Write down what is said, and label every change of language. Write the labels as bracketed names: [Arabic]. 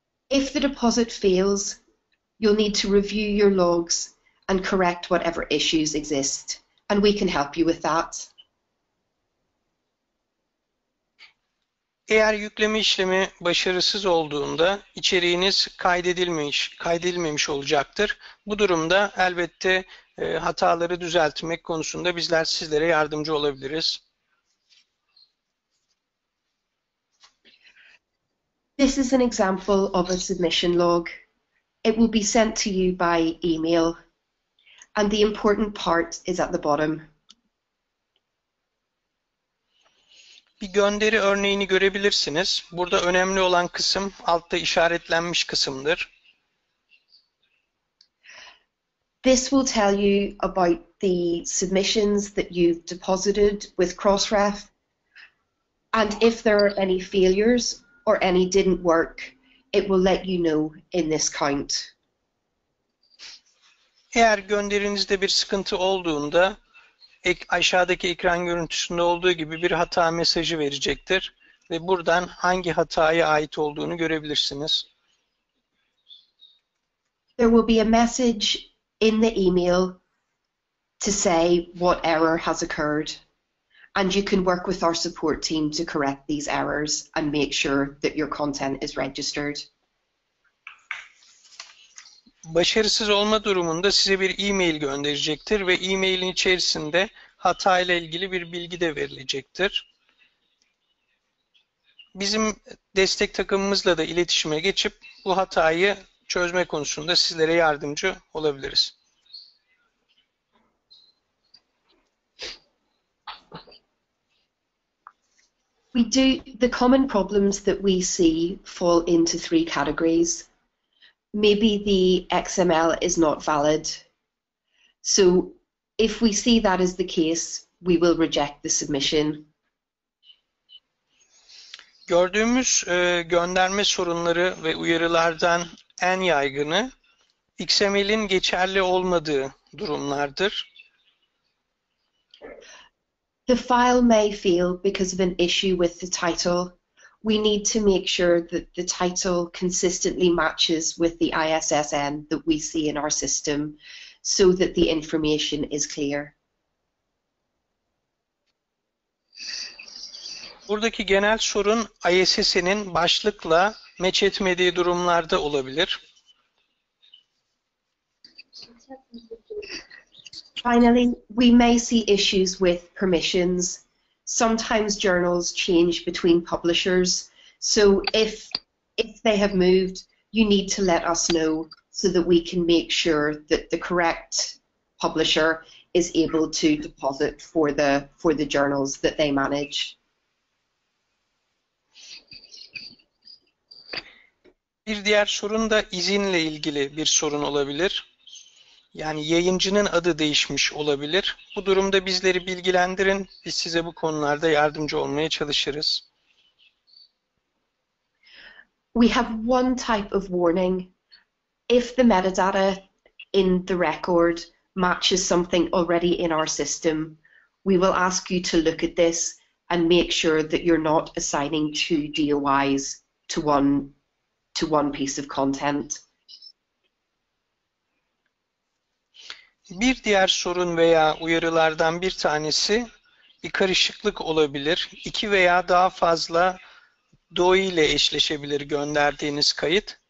[English] If the deposit fails, you'll need to review your logs and correct whatever issues exist, and we can help you with that. [Turkish] Eğer yükleme işlemi başarısız olduğunda içeriğiniz kaydedilmemiş olacaktır. Bu durumda elbette hataları düzeltmek konusunda bizler sizlere yardımcı olabiliriz. [English] This is an example of a submission log. It will be sent to you by email. And the important part is at the bottom. [Turkish] Bir gönderi örneğini görebilirsiniz. Burada önemli olan kısım altta işaretlenmiş kısımdır. [English] This will tell you about the submissions that you've deposited with Crossref. And if there are any failures or any didn't work, it will let you know in this count. [Turkish] Eğer gönderinizde bir sıkıntı olduğunda aşağıdaki ekran görüntüsünde olduğu gibi bir hata mesajı verecektir ve buradan hangi hataya ait olduğunu görebilirsiniz. [English] There will be a message in the email to say what error has occurred and you can work with our support team to correct these errors and make sure that your content is registered. [Turkish] Başarısız olma durumunda size bir e-mail gönderecektir ve e-mailin içerisinde hata ile ilgili bir bilgi de verilecektir. Bizim destek takımımızla da iletişime geçip bu hatayı çözme konusunda sizlere yardımcı olabiliriz. [English] We do the common problems that we see fall into three categories. Maybe the XML is not valid. So if we see that is the case, we will reject the submission. [Turkish] Gördüğümüz gönderme sorunları ve uyarılardan en yaygını XML'in geçerli olmadığı durumlardır. [English] The file may fail because of an issue with the title. We need to make sure that the title consistently matches with the ISSN that we see in our system so that the information is clear. [Turkish] Buradaki genel sorun ISSN'in başlıkla match etmediği durumlarda olabilir. [English] Finally, we may see issues with permissions. Sometimes journals change between publishers, so if they have moved, you need to let us know so that we can make sure that the correct publisher is able to deposit for the journals that they manage. [Turkish] Bir diğer sorun da izinle ilgili bir sorun olabilir. Yani yayıncının adı değişmiş olabilir. Bu durumda bizleri bilgilendirin. Biz size bu konularda yardımcı olmaya çalışırız. [English] We have one type of warning. If the metadata in the record matches something already in our system, we will ask you to look at this and make sure that you're not assigning two DOIs to one piece of content. [Turkish] Bir diğer sorun veya uyarılardan bir tanesi bir karışıklık olabilir. İki veya daha fazla DOI ile eşleşebilir gönderdiğiniz kayıt.